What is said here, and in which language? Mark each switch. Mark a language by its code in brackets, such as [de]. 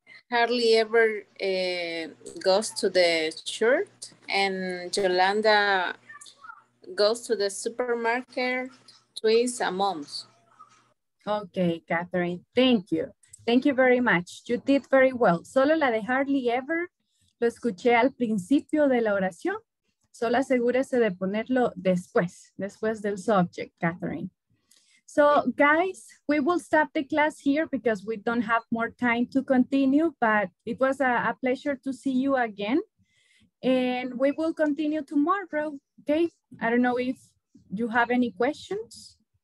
[en] Hardly ever goes to the church, and Yolanda goes to the supermarket twice a month. Okay, Catherine, thank you. Thank you very much. You did very well. [es] Solo la de [en] hardly ever, [es] lo escuché al principio de la oración. Solo asegúrese de ponerlo después del subject, Catherine. [en] So guys, we will stop the class here because we don't have more time to continue, but it was a pleasure to see you again. And we will continue tomorrow, okay? I don't know if you have any questions.